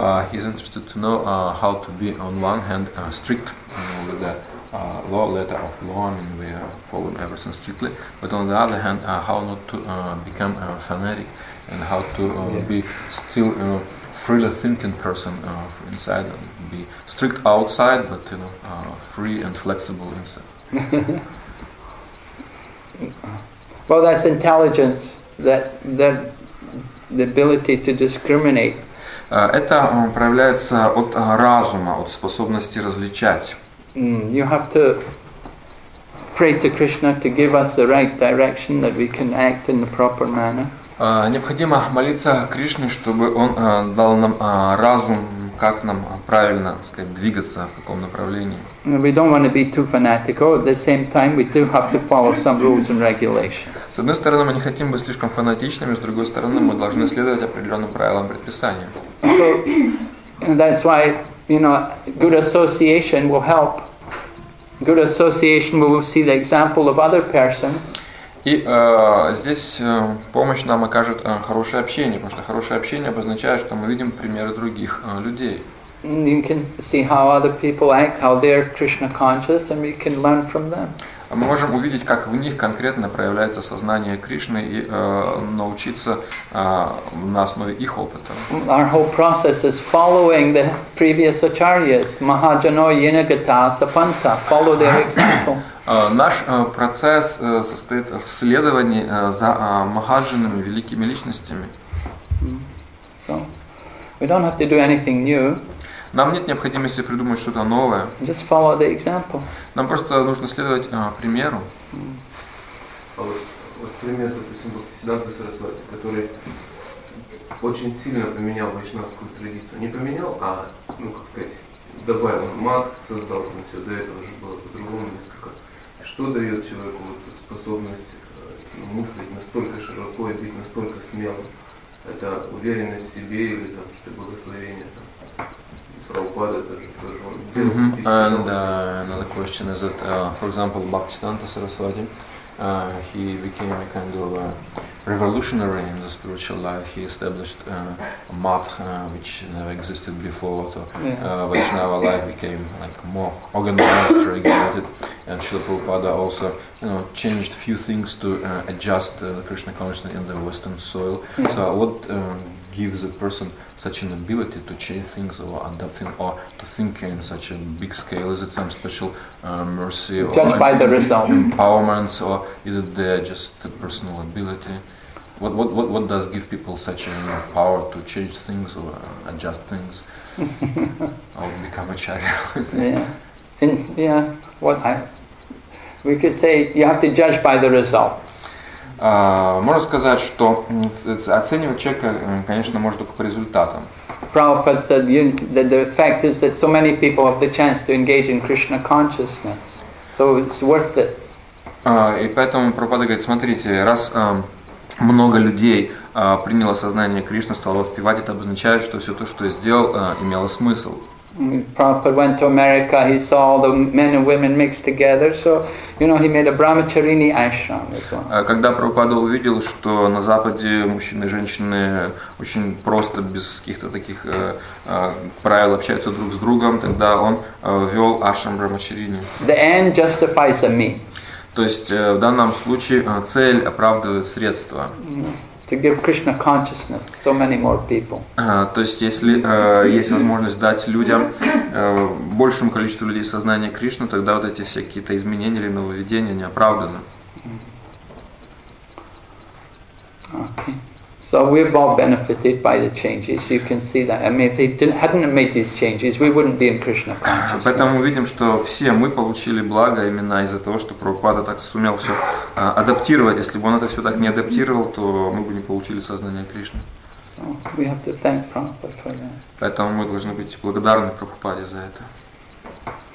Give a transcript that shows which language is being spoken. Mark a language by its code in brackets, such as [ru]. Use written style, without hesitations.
[en] He's interested to know how to be on one hand strict with the law, letter of law, I mean we follow everything strictly, but on the other hand how not to become a fanatic and how to be still freely thinking person inside, and be strict outside, but you know, free and flexible inside. Well, that's intelligence, that the ability to discriminate. [ru] Это проявляется от разума, от способности различать. [en] You have to pray to Krishna to give us the right direction that we can act in the proper manner. [ru] Необходимо молиться Кришне, чтобы он дал нам разум, как нам правильно, так сказать, двигаться, в каком направлении. [en] We don't want to be too fanatical. At the same time, we do have to follow some rules and regulations. [ru] С одной стороны, мы не хотим быть слишком фанатичными, с другой стороны, мы должны следовать определенным правилам предписания. [en] So, that's why, you know, good association will help. Good association, we will see the example of other persons. [ru] И здесь помощь нам окажет хорошее общение, потому что хорошее общение обозначает, что мы видим примеры других людей. [en] You can see how other people act, how they're Krishna conscious, and we can learn from them. [ru] Мы можем увидеть, как в них конкретно проявляется сознание Кришны и научиться на основе их опыта. [en] Our whole process is following the previous acharyas, Mahajano, Yinagata, Sapanta, follow their example. [ru] Наш процесс состоит в следовании за Махаджанами, великими личностями. [en] So, we don't have to do anything new. [ru] Нам нет необходимости придумать что-то новое. [en] Just follow the example. [ru] Нам просто нужно следовать примеру. Вот пример, допустим, Бхактисиддханта Сарасвати, который очень сильно поменял вайшнавскую традицию. Не поменял, а, ну, как сказать, добавил мат, создал там все. До этого же было по-другому несколько. Что дает человеку вот способность мыслить настолько широко и быть настолько смелым? Это уверенность в себе или там какие-то благословения? [en] Another question is that, for example, Bhaktisiddhanta Saraswati, he became a kind of a revolutionary in the spiritual life. He established a math which never existed before. So Vaishnava life became like more organized, regulated. And Srila Prabhupada also, you know, changed a few things to adjust the Krishna consciousness in the Western soil. Mm-hmm. So what gives a person such an ability to change things or adapt things or to think in such a big scale? Is it some special mercy or empowerment, or is it just the personal ability? What does give people such a power to change things or adjust things or become a acharya? We could say you have to judge by the result. [ru] Можно сказать, что оценивать человека, конечно, можно только по результатам. [en] Prabhupada said that the fact is that so many people have the chance to engage in Krishna consciousness, so it's worth it. [ru] И поэтому Прабхупада говорит, смотрите, раз много людей приняло сознание Кришны, стало воспевать, это обозначает, что все то, что я сделал, имело смысл. [en] Prabhupada went to America, he saw all the men and women mixed together, so, you know, he made a brahmacharini ashram as well. [ru] Когда Прабхупада увидел, что на Западе мужчины и женщины очень просто, без каких-то таких правил общаются друг с другом, тогда он ввел ашрам брахмачарини. [en] The end justifies the means. [ru] То есть в данном случае цель оправдывает средства. [en] To give Krishna consciousness to so many more people. [ru] То есть если есть возможность дать людям большему количеству людей сознание Кришны, тогда вот эти все какие-то изменения или нововведения не оправданы. [en] Okay. So we've all benefited by the changes. You can see that. I mean, if they hadn't made these changes, we wouldn't be in Krishna consciousness. [ru] Поэтому мы видим, что все мы получили благо именно из-за того, что Прабхупада так сумел все адаптировать. Если бы он это все так не адаптировал, то мы бы не получили сознание Кришны. [en] So we have to thank Prabhupada for that. [ru] Поэтому мы должны быть благодарны Прабхупаде за это.